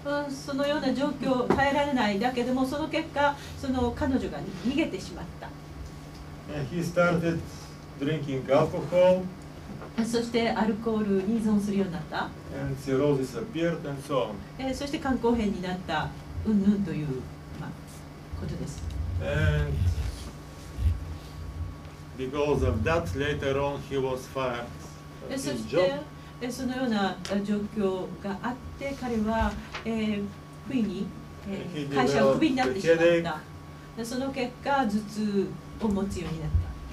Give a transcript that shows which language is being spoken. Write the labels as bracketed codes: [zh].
[ja] そのような状況を耐えられないだけでもその結果その彼女が逃げてしまった。 [en] And he started drinking alcohol. [ja] そしてアルコールに依存するようになった。 [en] And cirrhosis appeared and so on. [ja] そして肝硬変になったうんぬんという、まあ、ことです。 [en] And because of that, later on he was fired. [ja] そしてそのような状況があって彼は、不意に、会社をクビになってしまった。その結果頭痛を持つようになった。